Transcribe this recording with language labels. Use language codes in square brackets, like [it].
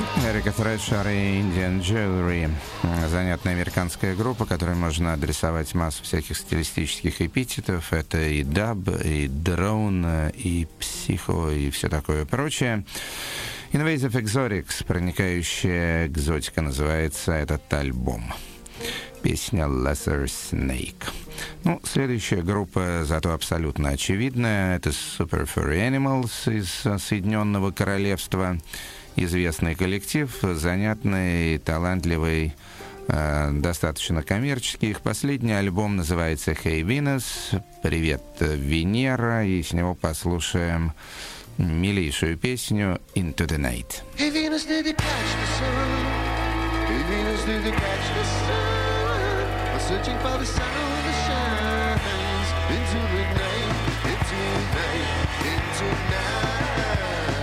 [ru] Эрика Трэшер и Indian Jewelry. Занятная американская группа, которой можно адресовать массу всяких стилистических эпитетов. Это и даб, и дроун, и психо, и все такое прочее. Invasive Exotics, проникающая экзотика, называется этот альбом. Песня Lesser Snake. Ну, следующая группа, зато абсолютно очевидная, это Super Furry Animals из Соединенного Королевства. Известный коллектив, занятный, талантливый, достаточно коммерческий. Их последний альбом называется Hey Venus, привет, Венера, и с него послушаем милейшую песню Into the Night. [en] Hey Venus, did you catch the sun? Hey Venus, did you catch the sun? I'm searching for the sun of the shines into the night, into the night, into the night.